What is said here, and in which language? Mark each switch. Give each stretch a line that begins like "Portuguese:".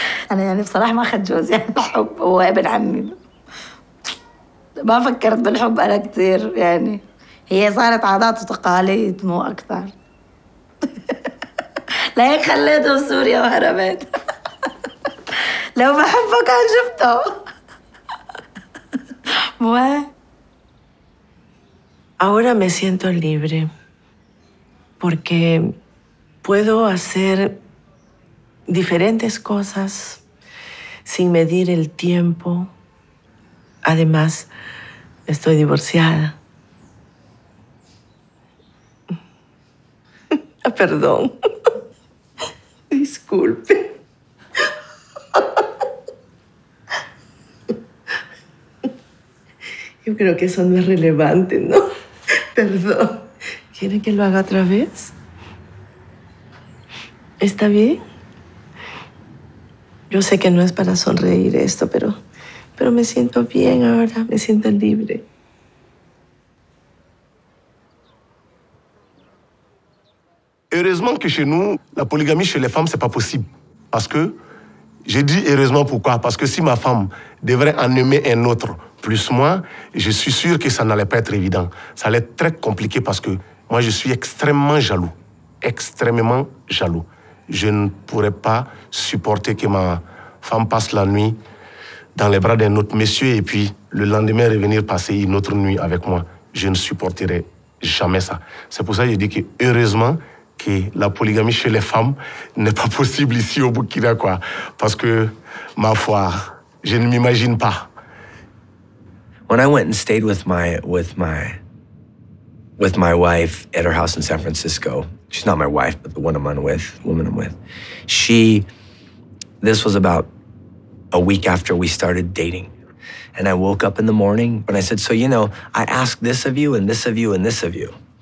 Arabic: انا يعني بصراحه ما اخذت جوز يعني بحب هو ابن عمي ما فكرت بالحب انا كثير يعني هي صارت عادات وتقاليد مو اكثر لهيك خليته في سوريا وهربت لو بحبه كان شفته
Spanish: Ahora me siento libre porque puedo hacer diferentes cosas sin medir el tiempo. Además, estoy divorciada. Perdón. Disculpe. Yo creo que eso no es relevante, ¿no? Perdón. ¿Quiere que lo haga otra vez? ¿Está bien? Yo sé que no es para sonreír esto, pero me siento bien ahora, me siento libre.
French: Heureusement que chez nous, la polygamie chez les femmes, c'est pas possible. Parce que, j'ai dit heureusement pourquoi? Parce que si ma femme devrait en aimer un autre plus moi, je suis sûr que ça n'allait pas être évident. Ça allait être très compliqué parce que moi, je suis extrêmement jaloux. Extrêmement jaloux. Je ne pourrais pas supporter que ma femme passe la nuit dans les bras d'un autre monsieur et puis le lendemain revenir passer une autre nuit avec moi. Je ne supporterais jamais ça. C'est pour ça que je dis que heureusement que la polygamie chez les femmes n'est pas possible ici au Burkina, quoi. Parce que, ma foi, je ne m'imagine pas.
English: When I went and stayed with my wife at her house in San Francisco, she's not my wife, but the one I'm with, woman I'm with, she, this was about a week after we started dating. And I woke up in the morning and I said, so, you know, I asked this of you and this of you and this of you.